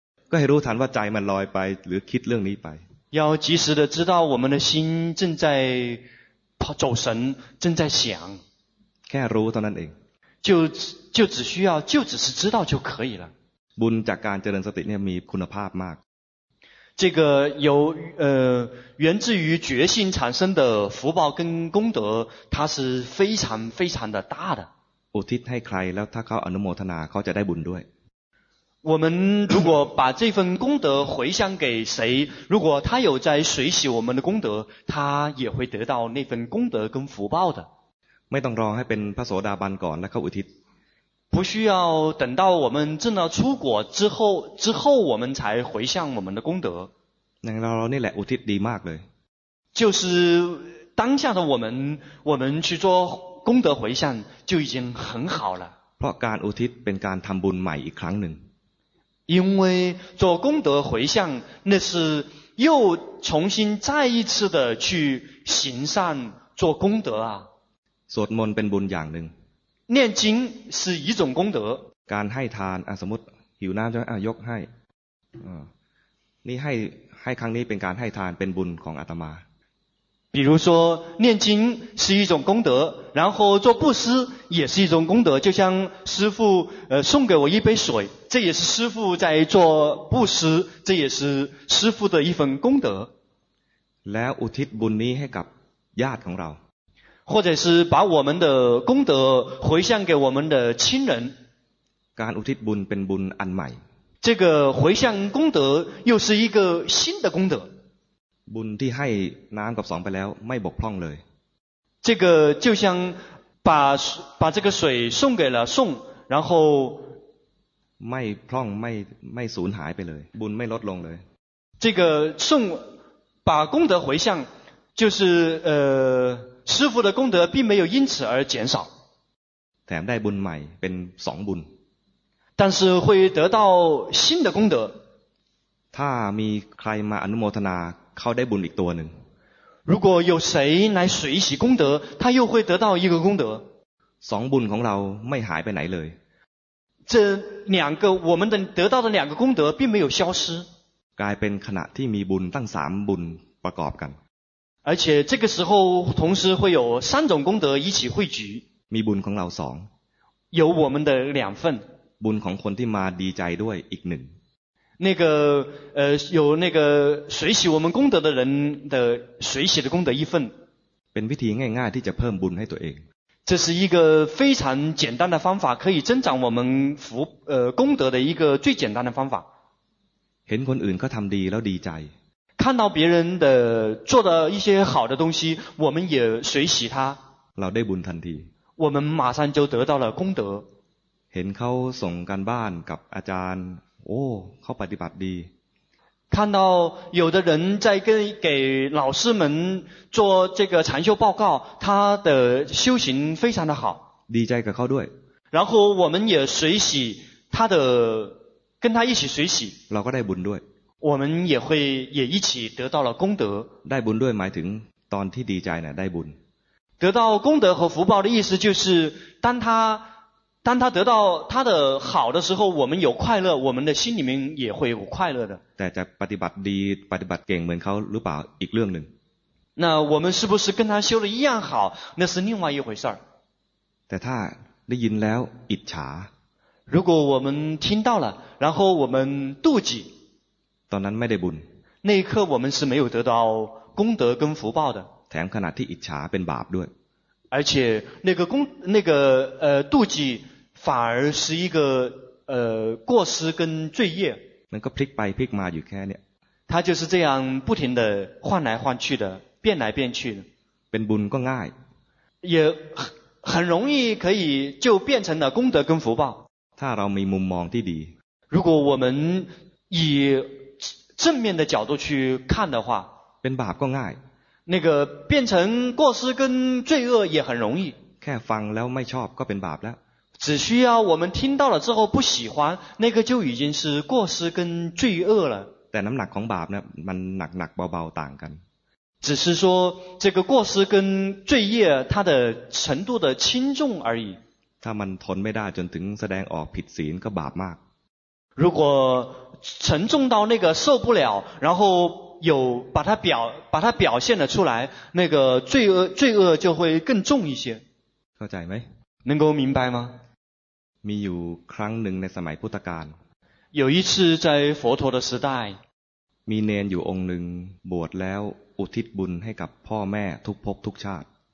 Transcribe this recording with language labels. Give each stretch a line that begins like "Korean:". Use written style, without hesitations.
Thai: ก็ให้รู้ทันว่าใจมันลอยไปหรือคิดเรื่องนี้ไป。
Chinese: 要及时的知道我们的心正在跑走神，正在想。
Thai: แค่รู้เท่านั้นเอง。
Chinese: 就只是知道就可以了。
Thai: บุญจากการเจริญสติเนี่ยมีคุณภาพมาก。
Chinese: 这个由源自于决心产生的福报跟功德，它是非常非常的大的。
Thai: อุทิศให้ใครแล้วถ้าเขาอนุโมทนาเขาจะได้บุญด้วย。
Chinese: 我们如果把这份功德回向给谁，如果他有在随喜我们的功德，他也会得到那份功德跟福报的。
Thai: ไม่ต้องรอให้เป็นพระโสดาบันก่อนแล้วก็อุทิศ。
Chinese: 不需要等到我们证到出果之后我们才回向我们的功德。那
Thai: เราเนี่ยแหละอุทิศดีมากเลย。
Chinese: 就是当下的我们去做功德回向就已经很好了。
Thai: เพราะการอุทิศเป็นการทำบุญใหม่อีกครั้งหนึ่ง。
Chinese: 因为做功德回向，那是又重新再一次的去行善做功德啊。
Thai: สวดมนต์เป็นบุญอย่างหนึ่ง。
Chinese: 念经是一种功德。
Thai: การให้ทานสมมติหิวน้ำจะยกให้นี่ให้ครั้งนี้เป็นการให้ทานเป็นบุญของอาตมา。
Chinese: 比如说念经是一种功德，然后做布施也是一种功德，就像师父送给我一杯水，这也是师父在做布施，这也是师父的一份功德。
Thai: แล้วอุทิศบุญนี้ให้กับญาติของเรา，
Chinese: 或者是把我们的功德回向给我们的亲人。
Thai: การอุทิศบุญเป็นบุญอันใหม่
Chinese: ，这个回向功德又是一个新的功德。
Thai: บุญที่ให้น้ำกับสองไปแล้วไม่บกพร่องเลย
Chinese: 这个就像把这个水送给了送然后
Thai: ไม่พร่องไม่สูญหายไปเลยบุญไม่ลดลงเลย
Chinese: 这个送把功德回向就是师父的功德并没有因此而减少
Thai: แถมได้บุญใหม่เป็นสองบุญ
Chinese: 但是会得到新的功德
Thai: ถ้ามีใครมาอนุโมทนาเขาได้บุญอีกตัวหนึ่ง
Chinese: 如果有谁来随喜功德他又会得到一个功德
Thai: สองบุญของเราไม่หายไปไหนเลย
Chinese: 这两个我们的得到的两个功德并没有消失
Thai: กลายเป็นขณะที่มีบุญตั้งสามบุญประกอบกัน
Chinese: 而且这个时候同时会有三种功德一起汇聚
Thai: มีบุญของเราสอง
Chinese: 有我们的两份
Thai: บุญของคนที่มาดีใจด้วยอีกหนึ่ง นั่นก็
Chinese: 有那个随喜我们功德的人的随喜的功德一份
Thai: เป็นวิธีง่ายๆที่จะเพิ่มบุญให้ตัวเอง
Chinese: 这是一个非常简单的方法可以增长我们福功德的一个最简单的方法
Thai: เห็นคนอื่นเขาทำดีแล้วดีใจ
Chinese: 看到别人的做的一些好的东西我们也随喜他
Thai: เราได้บุญทันที
Chinese: 我们马上就得到了功德
Thai: เห็นเขาส่งการบ้านกับอาจารย์
Chinese: 哦，好
Thai: ปฏิบัติดี。
Chinese: 看到有的人在给老师们做这个禅修报告，他的修行非常的好。
Thai: ดีใจกับเขาด้วย。
Chinese: 然后我们也随喜他的，跟他一起随喜。
Thai: เราก็ได้บุญด้วย。
Chinese: 我们也会也一起得到了功德。
Thai: ได้บุญด้วยหมายถึงตอนที่ดีใจน่ะได้บุญ。
Chinese: 得到功德和福报的意思就是当他得到他的好的时候，我们有快乐，我们的心里面也会有快乐的。
Thai: แต่จะปฏิบัติดีปฏิบัติเก่งเหมือนเขาหรือเปล่าอีกเรื่องหนึ่ง。
Chinese: 那我们是不是跟他修的一样好，那是另外一回事儿。
Thai: แต่ถ้าได้ยินแล้วอิจฉา。
Chinese: 如果我们听到了，然后我们妒忌。
Thai: ตอนนั้นไม่ได้บุญ。
Chinese: 那一刻我们是没有得到功德跟福报的。
Thai: แถมขณะที่อิจฉาเป็นบาปด้วย。
Chinese: 而且那个妒忌反而是一个过失跟罪业。
Thai: มันก็พลิกไปพลิกมาอยู่แค่เนี้ย。
Chinese: 他就是这样不停的换来换去的，变来变去的。
Thai: เป็นบุญก็ง่าย。
Chinese: 也很容易可以就变成了功德跟福报。
Thai: ถ้าเรามีมุมมองที่ดี。
Chinese: 如果我们以正面的角度去看的话，
Thai: เป็นบาปก็ง่าย。
Chinese: 那个变成过失跟罪恶也很容易。
Thai: แค่ฟังแล้วไม่ชอบก็เป็นบาปแล้ว。
Chinese: 只需要我们听到了之后不喜欢，那个就已经是过失跟罪恶了。
Thai: แต่น้ำหนักของบาปเนี่ยมันหนักหนักเบาเบาต่างกัน。
Chinese: 只是说这个过失跟罪业它的程度的轻重而已。
Thai: ถ้ามันทนไม่ได้จนถึงแสดงออกผิดศีลก็บาปมาก。
Chinese: 如果沉重到那个受不了，然后有把它表现了出来，那个罪恶就会更重一些。了解没？能够明白吗？
Thai: มีอยู่ครั้งหนึ่งในสมัยพุทธกาล。
Chinese: 有一次在佛陀的时代。
Thai: มีเนนอยู่องค์หนึ่งบวชแล้วอุทิศบุญให้กับพ่อแม่ทุกภพทุกชาติ。